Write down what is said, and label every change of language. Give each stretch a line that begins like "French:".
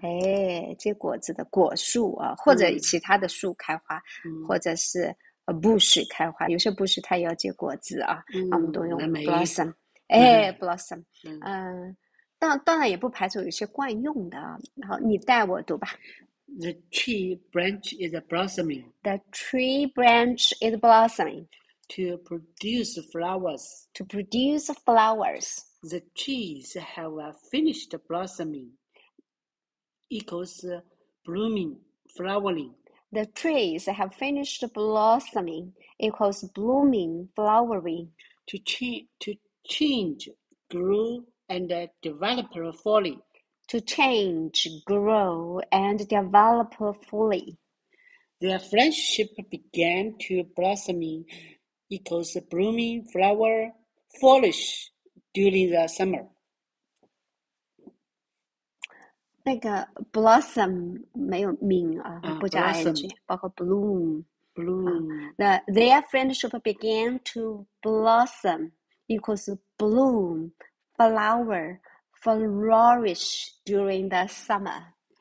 Chinese: 哎，结果子的果树啊，或者其他的树开花，或者是 bush 开花，有些 bush 它也要结果子啊，那我们都用那没意
English: blossom，
Chinese: 思，哎，blossom，当然也不排除有些惯用的啊。好，你带我读吧。
English: The tree branch is blossoming. The tree branch is blossoming. To produce flowers, To produce flowers. the trees have finished blossoming. Equals blooming, flowering. The trees have finished blossoming. Equals blooming, flowering. To change, grow, and develop fully. To change, grow, and develop fully. Their friendship began to blossoming equals blooming flower foliage during the summer.
Chinese: 那个 blossom 没有 ming 啊，不加 ing，
English: blossom,
Chinese: 包括 bloom 啊。
English: bloom. 那 their friendship began to blossom equals bloom flower. Flourish during the summer.